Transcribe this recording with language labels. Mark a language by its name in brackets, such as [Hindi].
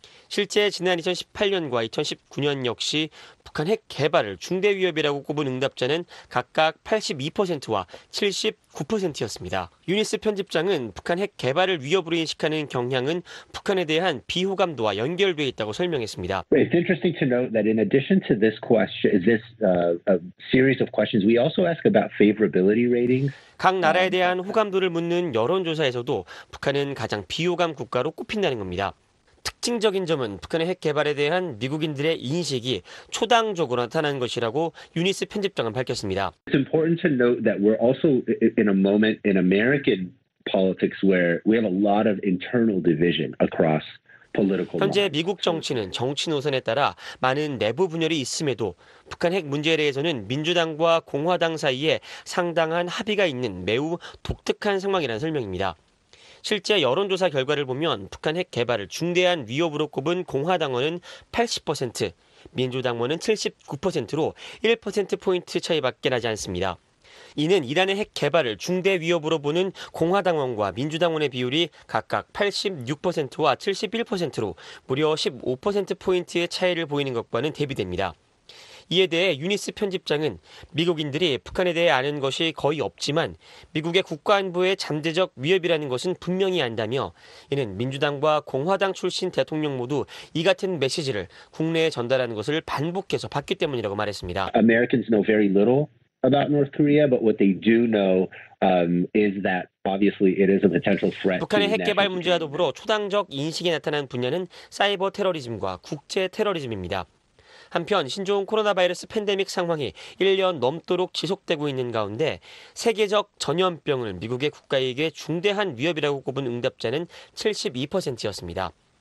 [Korean] 실제 지난 2018년과 2019년 역시 북한 핵 개발을 중대 위협이라고 꼽은 응답자는 각각 82%와 79%였습니다. 유니스 편집장은 북한 핵 개발을 위협으로 인식하는 경향은 북한에 대한 비호감도와 연결되어 있다고 설명했습니다. [English] It's interesting to note that in addition to this question, this series of questions, we also ask about favorability ratings. [Korean] 각 나라에 대한 호감도를 묻는 여론조사에서도 북한은 가장 비호감 국가로 꼽힌다는 겁니다. 특징적인 점은 북한의 핵 개발에 대한 미국인들의 인식이 초당적으로 나타난 것이라고 유니스 편집장은 밝혔습니다. [English] It's important to note that we're also in a moment in American politics where we have a lot of internal division across political lines. [Korean] 현재 미국 정치는 정치 노선에 따라 많은 내부 분열이 있음에도 북한 핵 문제에 대해서는 민주당과 공화당 사이에 상당한 합의가 있는 매우 독특한 상황이라는 설명입니다. 실제 여론조사 결과를 보면 북한 핵 개발을 중대한 위협으로 꼽은 공화당원은 80%, 민주당원은 79%로 1%포인트 차이밖에 나지 않습니다. 이는 이란의 핵 개발을 중대 위협으로 보는 공화당원과 민주당원의 비율이 각각 86%와 71%로 무려 15%포인트의 차이를 보이는 것과는 대비됩니다. 이에 대해 유니스 편집장은 미국인들이 북한에 대해 아는 것이 거의 없지만 미국의 국가안보에 잠재적 위협이라는 것은 분명히 안다며 이는 민주당과 공화당 출신 대통령 모두 이 같은 메시지를 국내에 전달하는 것을 반복해서 봤기 때문이라고 말했습니다. [English] Americans know very little about North Korea, but what they do know is that obviously it is a potential threat. [Korean] 북한의 핵 개발 문제와 더불어 초당적 인식이 나타난 분야는 사이버 테러리즘과 국제 테러리즘입니다. 한편 신종 코로나 바이러스 팬데믹 상황이 1년 넘도록 지속되고 있는 가운데 세계적 전염병을 미국의 국가에게 중대한 위협이라고 꼽은 응답자는 72%였습니다.